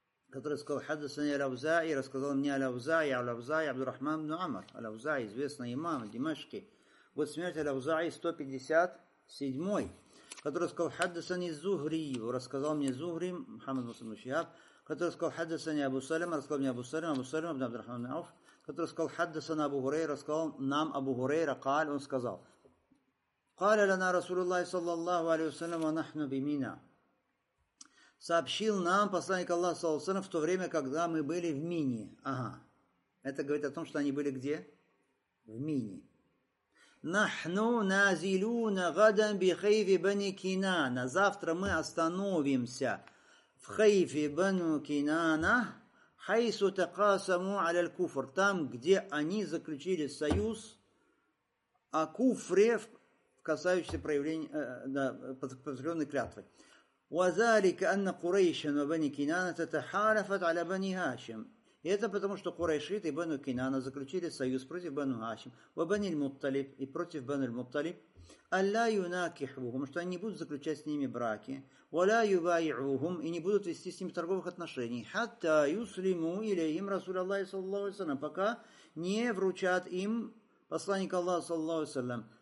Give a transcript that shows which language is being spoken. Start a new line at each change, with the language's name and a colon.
Russian: который сказал, «Хаддасани Аль-Авзаи», рассказал мне Аль-Авзаи, Аль-Авзаи Абдур-Рахман ибн Амар, Аль-Авзаи, известный имам Димашки, вот смерть Аль-Авзаи 157-й, который сказал, «Хаддасани Зухри», рассказал мне Зухри, Мухаммад Муслим Шихаб, который сказал, «Хаддасани Абу Салим», рассказал мне Абу Салим, Абу Салим ибн Абдур-Рахман ибн Ауф, который сказал, «Хаддасана Абу Гурейра», сказал нам Абу Гурейра, он сказал,
Arabic: قال لنا رسول الله صلى الله عليه وسلم ونحن بمينا.
Russian: Сообщил нам посланник Аллаха صلى الله عليه وسلم в то время, когда мы были в Мине. Ага. Это говорит о том, что они были где? В Мине.
Arabic: Нахну назилуна гадан би хайфи бани кинана.
Russian: Завтра мы остановимся в хайфи бану кинана.
Arabic: Хайсу такасаму аляль куфр.
Russian: Там, где они заключили союз о куфре, касающейся проявления, подкрепленной клятвы.
Arabic: وذلك أن قريش وبني كنانة تحالفت على بني هاشم.
Russian: И это потому, что Курайшит и Бану Кинана заключили союз против Бану Хашим,
Arabic: وبني المطلب
Russian: и против Бану المطلب,
Arabic: ألا يناكحوهم,
Russian: что они не будут заключать с ними браки,
Arabic: ولا يبايعوهم,
Russian: и не будут вести с ними торговых отношений,
Arabic: حتى يسلموا إليهم رسول الله صلى الله عليه وسلم,
Russian: пока не вручат им посланника Аллаха
Arabic: صلى الله عليه وسلم.